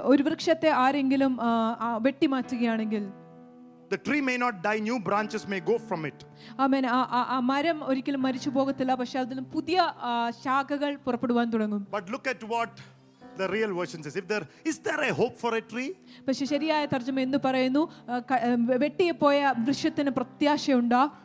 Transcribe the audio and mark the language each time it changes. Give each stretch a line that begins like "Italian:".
Malayalam: ഒരു വൃക്ഷത്തെ ആരെങ്കിലും വെട്ടിമാറ്റുകയാണെങ്കിൽ.
English: The tree may not die, new branches may go from it.
Malayalam: ആമേൻ. ആ മരം ഒരിക്കലും മരിച്ചു പോകത്തില്ല, പക്ഷെ അതിലും പുതിയ ശാഖകൾ പുറപ്പെടുവാൻ തുടങ്ങും.
English: But look at what the real version says. Is there a hope for a tree?
Malayalam: പക്ഷെ ശരിയായ തർജ്ജമ എന്ന് പറയുന്നു, വെട്ടിപ്പോയ വൃക്ഷത്തിന് പ്രത്യാശയുണ്ടോ?